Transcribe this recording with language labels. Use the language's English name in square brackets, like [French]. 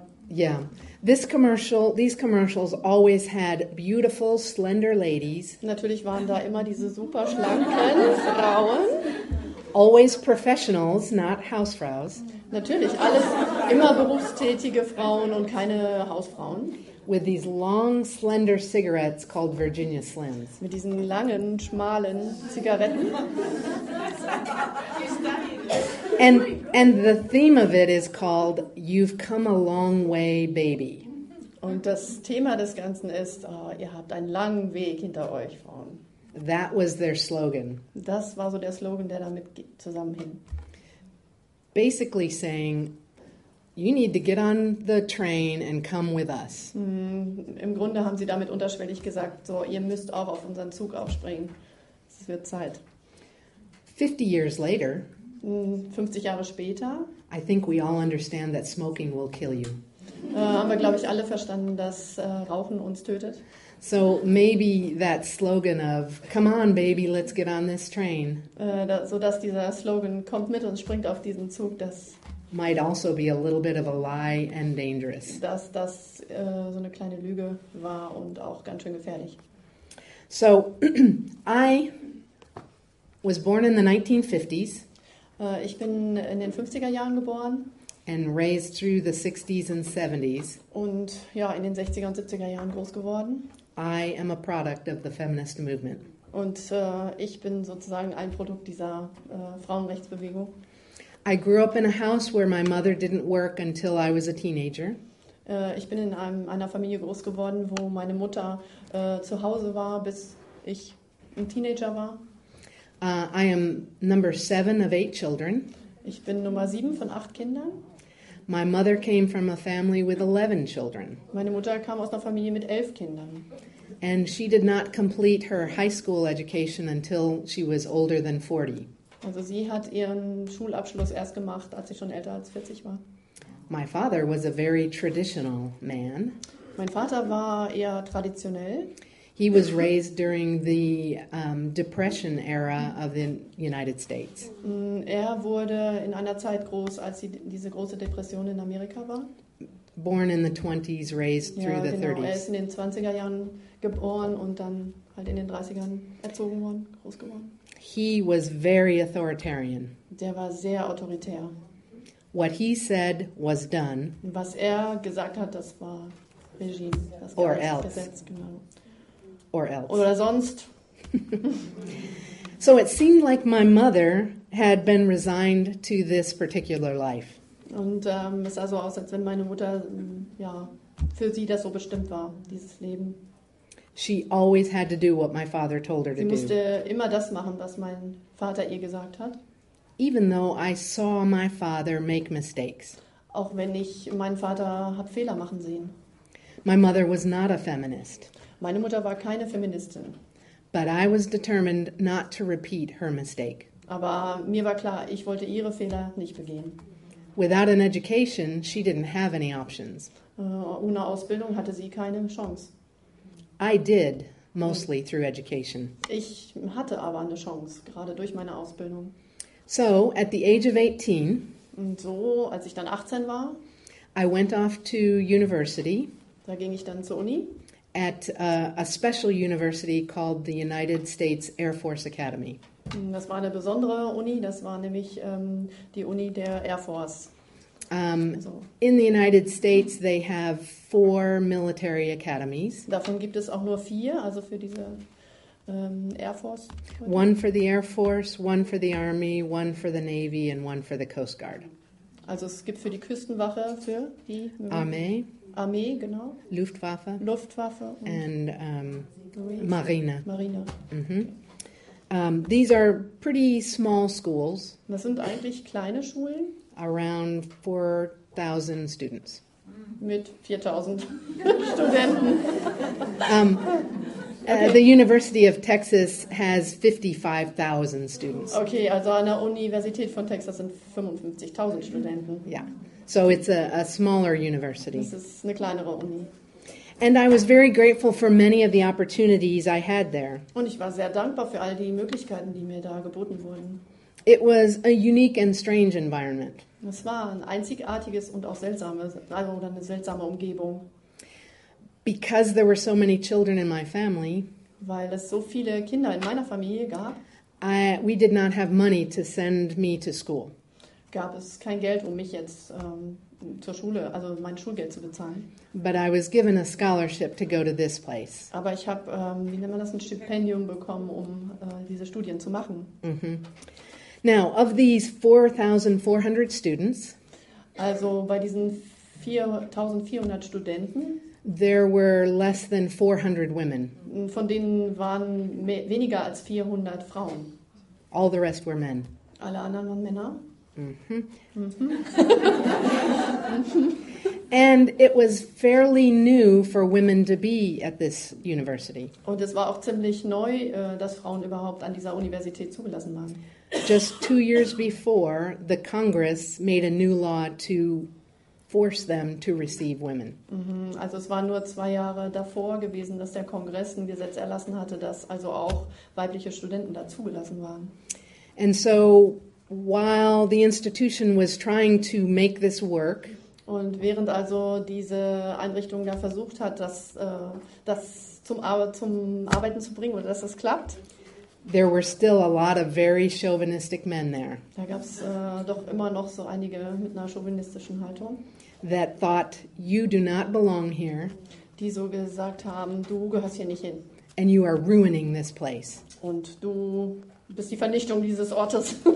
[English] Yeah. These commercials always had beautiful, slender ladies. [German] Natürlich waren da immer diese super schlanken Frauen. [English] Always professionals, not Hausfrauen. [German] Natürlich alles immer berufstätige Frauen und keine Hausfrauen. [English] With these long, slender cigarettes called Virginia Slims. [German] Mit diesen langen, schmalen Zigaretten. [English] And the theme of it is called "You've Come a Long Way, Baby." [German] Und das Thema des Ganzen ist, ihr habt einen langen Weg hinter euch, Frauen. [English] That was their slogan. [German] Das war so der Slogan, der damit zusammenhing. [English] Basically saying, you need to get on the train and come with us. [German] Im Grunde haben sie damit unterschwellig gesagt, so, ihr müsst auch auf unseren Zug aufspringen. Es wird Zeit. [English] 50 years later, [German] 50 Jahre später, [English] I think we all understand that smoking will kill you. [German] Haben wir, glaube ich, alle verstanden, dass Rauchen uns tötet. [English] So maybe that slogan of "Come on, baby, let's get on this train." [German] So dass dieser Slogan "Kommt mit und springt auf diesen Zug" das [English] might also be a little bit of a lie and dangerous. [German] Dass das so eine kleine Lüge war und auch ganz schön gefährlich. [English] So I was born in the 1950s. [German] Ich bin in den 50er Jahren geboren. [English] And raised through the 60s and 70s. [German] Und ja, in den 60er und 70er Jahren groß geworden. [English] I am a product of the feminist movement. [German] Und ich bin sozusagen ein Produkt dieser Frauenrechtsbewegung. [English] I grew up in a house where my mother didn't work until I was a teenager. [German] Ich bin in einer Familie groß geworden, wo meine Mutter zu Hause war, bis ich ein Teenager war. [English] I am number 7 of 8 children. [German] Ich bin Nummer 7 von 8 Kindern. [English] My mother came from a family with 11 children. [German] Meine Mutter kam aus einer Familie mit 11 Kindern. [English] And she did not complete her high school education until she was older than 40. [German] Also sie hat ihren Schulabschluss erst gemacht, als sie schon älter als 40 war. [English] My father was a very traditional man. [German] Mein Vater war eher traditionell. [English] He was raised during the Depression era of the United States. [German] Er wurde in einer Zeit groß, als diese große Depression in Amerika war. [English] Born in the 20s, raised through the 30s. [German] Ja, genau. Er ist in den 20er Jahren geboren und dann halt in den 30ern erzogen worden, groß geworden. [English] He was very authoritarian. [German] Der war sehr autoritär. [English] What he said was done. [German] Was er gesagt hat, das war Regime. Das [English] or else. [German] Gesetz, genau. [English] Or else. [German] Oder sonst. [English] So it seemed like my mother had been resigned to this particular life. [German] Und es sah so aus, als wenn meine Mutter ja für sie das so bestimmt war, dieses Leben. [English] She always had to do what my father told her to do. [German] Sie musste immer das machen, was mein Vater ihr gesagt hat. [English] Even though I saw my father make mistakes. [German] Auch wenn ich meinen Vater hab Fehler machen sehen. [English] My mother was not a feminist. [German] Meine Mutter war keine Feministin. [English] But I was determined not to repeat her mistake. [German] Aber mir war klar, ich wollte ihre Fehler nicht begehen. [English] Without an education, she didn't have any options. [German] Ohne Ausbildung hatte sie keine Chance. [English] I did, mostly through education. [German] Ich hatte aber eine Chance, gerade durch meine Ausbildung. [English] So, at the age of 18, [German] und so, als ich dann 18 war, [English] I went off to university. [German] Da ging ich dann zur Uni. [English] At a special university called the United States Air Force Academy. [German] Das war eine besondere Uni, das war nämlich die Uni der Air Force. [English] So. In the United States they have 4 military academies. [German] Davon gibt es auch nur 4, also für diese Air Force. [English] One for the Air Force, one for the Army, one for the Navy and one for the Coast Guard. [German] Also es gibt für die Küstenwache, für die Armee. Armee, genau. Luftwaffe. [English] And [German] Marine. Marine. [English] Mm-hmm. These are pretty small schools. [German] Das sind eigentlich kleine Schulen. [English] Around 4,000 students. [German] Mit 4,000 Studenten. [English] Okay. The University of Texas has 55,000 students. [German] Okay, also an der Universität von Texas sind 55,000 Studenten. Ja. [English] Yeah. So it's a smaller university. [German] Das ist eine kleinere Uni. [English] And I was very grateful for many of the opportunities I had there. [German] Und ich war sehr dankbar für all die Möglichkeiten, die mir da geboten wurden. [English] It was a unique and strange environment. [German] Es war ein einzigartiges und auch seltsames, also eine seltsame Umgebung. [English] Because there were so many children in my family. [German] Weil es so viele Kinder in meiner Familie gab. [English] We did not have money to send me to school. [German] Gab es kein Geld, um mich jetzt zur Schule, also mein Schulgeld zu bezahlen. [English] But I was given a scholarship to go to this place. [German] Aber ich habe, wie nennt man das, ein Stipendium bekommen, um diese Studien zu machen. [English] Mm-hmm. Now, of these 4,400 students, [German] also bei diesen 4,400 Studenten, [English] There were less than 400 women. [German] Von denen waren weniger als 400 Frauen. [English] All the rest were men. [German] Alle anderen waren Männer. [English] And it was fairly new for women to be at this university. [German] Und es war auch ziemlich neu, dass Frauen überhaupt an dieser Universität zugelassen waren. [English] Just 2 years before, the Congress made a new law to force them to receive women. [German] Also es war nur 2 Jahre davor gewesen, dass der Kongress ein Gesetz erlassen hatte, dass also auch weibliche Studenten da zugelassen waren. [English] And so while the institution was trying to make this work, [German] und während also diese Einrichtung da versucht hat, das zum Arbeiten zu bringen oder dass das klappt, [English] there were still a lot of very chauvinistic men there. [German] Da gab es doch immer noch so einige mit einer chauvinistischen Haltung. [English] That thought, you do not belong here. [German] Die so gesagt haben, du gehörst hier nicht hin. [English] And you are ruining this place. [German] Und du bist die Vernichtung dieses Ortes.